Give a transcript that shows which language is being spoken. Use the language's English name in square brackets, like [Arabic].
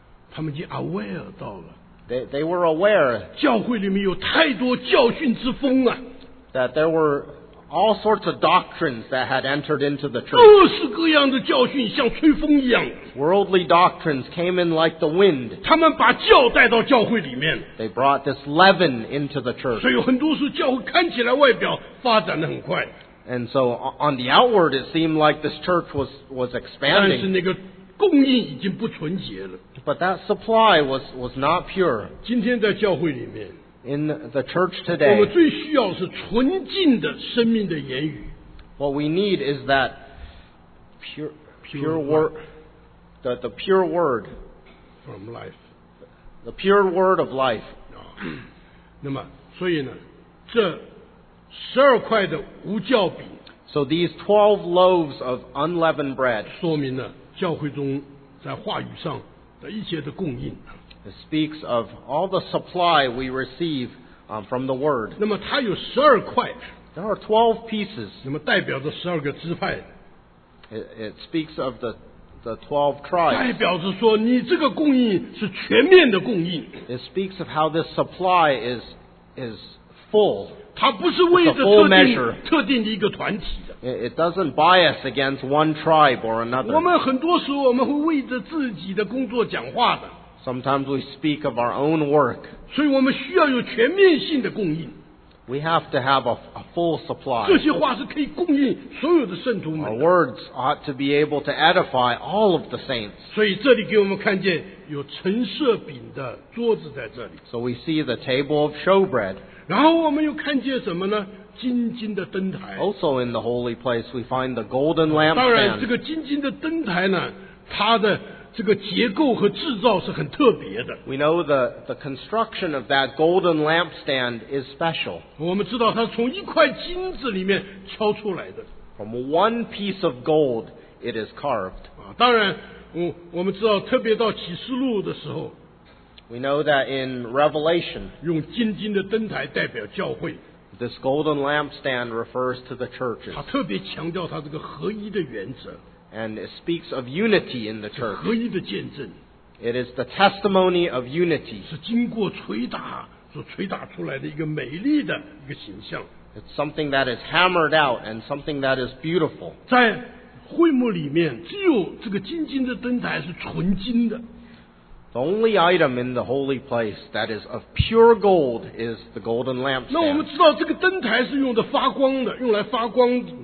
[Chinese] 他们已经 aware 到了。 [English] They were aware. [Chinese] 教会里面有太多教训之风啊。 [English] That there were all sorts of doctrines that had entered into the church. [Chinese] 各式各样的教训像吹风一样。 [English] Worldly doctrines came in like the wind. [Chinese] 他们把教带到教会里面。 [English] They brought this leaven into the church. [Chinese] 所以很多时候教会看起来外表发展得很快。 [English] And so on the outward, it seemed like this church was expanding. [Chinese] 但是那个供应已经不纯洁了。 [English] But that supply was not pure. [Chinese] 今天在教会里面。 [English] In the church today, [Chinese] 我们最需要是纯净的生命的言语。 [English] What we need is that pure word, the pure word from life, the pure word of life. [Chinese] 那么，所以呢，这十二块的无酵饼 [English] ，so these 12 loaves of unleavened bread， [Chinese] 说明了教会中在话语上的一些的供应。 [English] It speaks of all the supply we receive from the word. [Chinese] 那么它有十二块。 [English] There are 12 pieces. [Chinese] 那么代表着十二个支派。 [English] It speaks of the 12 tribes. [Chinese] 代表着说你这个供应是全面的供应。 [English] It speaks of how this supply is full. [Chinese] 它不是为着 [English] full measure. [Chinese] 特定的一个团体。 [English] It doesn't bias against one tribe or another. [Chinese] 我们很多时候我们会为着自己的工作讲话的。 [English] Sometimes we speak of our own work. [Chinese] 所以我们需要有全面性的供应。 [English] We have to have a full supply. [Chinese] 这些话是可以供应所有的圣徒们的。 [English] Our words ought to be able to edify all of the saints. [Chinese] 所以这里给我们看见有陈设饼的桌子在这里。 [English] So we see the table of showbread. [Chinese] 然后我们又看见什么呢？金金的灯台。 [English] Also in the holy place, we find the golden lampstand. [Chinese] 当然，这个金金的灯台呢，它的这个结构和制造是很特别的。 [English] We know the construction of that golden lampstand is special. [Chinese] 我们知道它是从一块金子里面敲出来的。 [English] From one piece of gold, it is carved. [Chinese] 当然，我们知道，特别到启示录的时候。 [English] We know that in Revelation, [Chinese] 用金金的灯台代表教会。 [English] This golden lampstand refers to the churches. [Chinese] 它特别强调它这个合一的原则。 [English] And it speaks of unity in the church. [Chinese] 合一的见证。 [English] It is the testimony of unity. [Chinese] 是经过捶打所捶打出来的一个美丽的一个形象。 [English] It's something that is hammered out and something that is beautiful. [Chinese] 在会幕里面，只有这个金金的灯台是纯金的。 [English] The only item in the holy place that is of pure gold is the golden lampstand. [Chinese] 那我们知道这个灯台是用的发光的，用来发光作用。